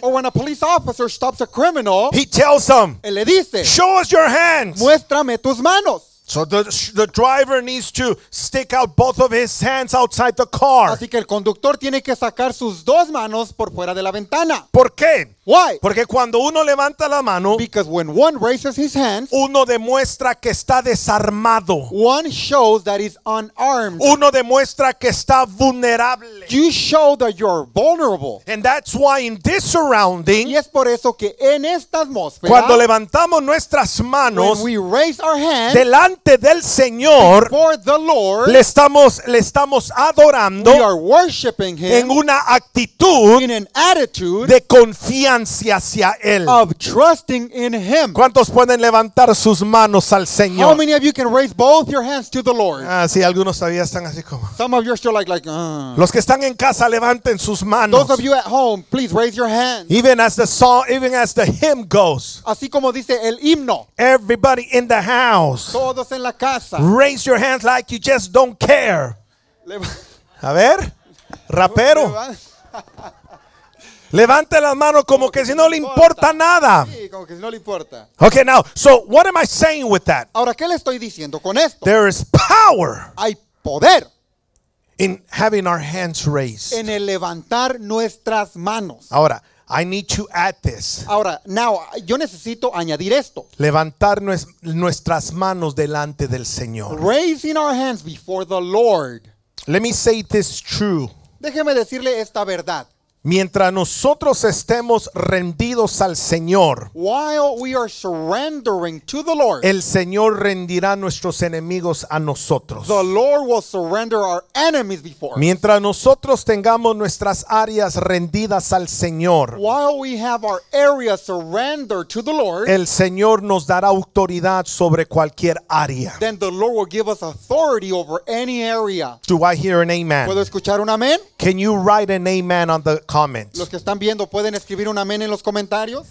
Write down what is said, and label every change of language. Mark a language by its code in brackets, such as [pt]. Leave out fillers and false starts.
[en] Or when a police officer stops a criminal. He tells them. [es] Y le dice, [en] show us your hands. [es] Muéstrame tus manos. [en] So the driver needs to stick out both of his hands outside the car. [es] Así que el conductor tiene que sacar sus dos manos por fuera de la ventana. ¿Por qué? [en] Why? [es] Porque cuando uno levanta la mano, [en] because when one raises his hands, [es] uno demuestra que está desarmado. [en] One shows that he's unarmed. [es] Uno demuestra que está vulnerable. [en] You show that you're vulnerable. And that's why in this surrounding, [es] y es por eso que en esta atmósfera, cuando levantamos nuestras manos, [en] when we raise our hands, [es] delante del Señor, [en] before the Lord, [es] le estamos adorando, [en] we are worshiping him, [es] en una actitud, [en] in an attitude, [es] de confianza hacia él, [en] of trusting in him. [es] ¿Cuántos pueden levantar sus manos al Señor? [en] How many of you can raise both your hands to the Lord? [es] Ah, sí, algunos todavía están así como. [en] Some of you are still like. [es] Los que están en casa, levanten sus manos. [en] Those of you at home, please raise your hands. Even as the hymn goes. [es] Así como dice el himno. [en] Everybody in the house. [es] Todos en la casa. [en] Raise your hands like you just don't care. [es] A ver, rapero. Levante las manos como que si no le importa nada. Sí, como que si no le importa. [en] Okay, now, so what am I saying with that? [es] Ahora, ¿qué le estoy diciendo con esto? [en] There is power. [es] Hay poder. [en] In having our hands raised. [es] En el levantar nuestras manos. [en] Ahora, I need to add this. [es] Ahora, now, yo necesito añadir esto. Levantar nuestras manos delante del Señor. [en] Raising our hands before the Lord. Let me say this true. [es] Déjeme decirle esta verdad. Mientras nosotros estemos rendidos al Señor, [en] while we are surrendering to the Lord, [es] el Señor rendirá nuestros enemigos a nosotros. [en] The Lord will surrender our enemies before us. [es] Mientras nosotros tengamos nuestras áreas rendidas al Señor, [en] while we have our areas surrendered to the Lord, [es] el Señor nos dará autoridad sobre cualquier área. [en] Then the Lord will give us authority over any area. Do I hear an amen? [es] ¿Puedo escuchar un amén? [en] Can you write an amen on the comments? [es] Los que están viendo pueden escribir un amén en los comentarios.